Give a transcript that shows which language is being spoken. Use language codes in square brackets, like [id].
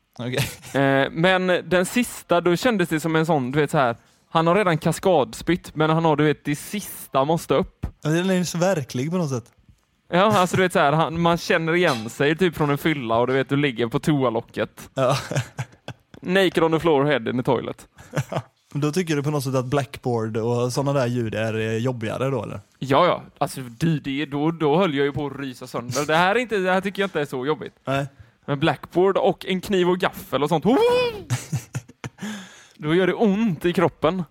[en] Okay. [sv] Men den sista, då kändes det som en sån, du vet så här. Han har redan kaskadspytt, men han har, du vet, det sista måste upp. Den är ju så verklig på något sätt. Ja, alltså du vet så här, han, man känner igen sig typ från en fylla och du vet, du ligger på toalocket. Ja. [en] Naked on the floor, head in the toilet. [sv] Då tycker du på något sätt att blackboard och sådana där ljud är jobbigare då, eller? Ja, ja. Alltså då höll jag ju på att rysa sönder. Det här, är inte, det här tycker jag inte är så jobbigt. Nej. Men blackboard och en kniv och gaffel och sånt. Då gör det ont i kroppen.